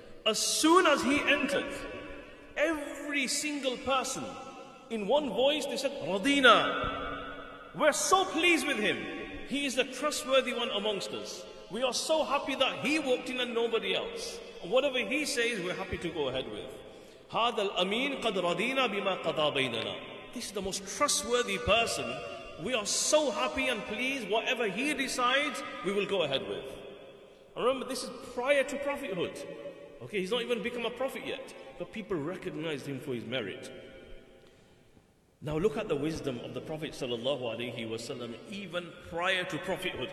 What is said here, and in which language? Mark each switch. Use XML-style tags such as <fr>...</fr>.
<en>As soon as he entered, every single person in one voice, they said, Radina. We're so pleased with him. He is the trustworthy one amongst us. We are so happy that he walked in and nobody else. Whatever he says, we're happy to go ahead with.</en> <ar>هذا الأمين قد رضينا بما قضى بيننا.</ar> <en>This is the most trustworthy person. We are so happy and pleased. Whatever he decides, we will go ahead with. And remember, this is prior to prophethood. Okay, he's not even become a prophet yet. But people recognized him for his merit. Now look at the wisdom of the Prophet sallallahu alaihi wasallam even prior to prophethood.</en>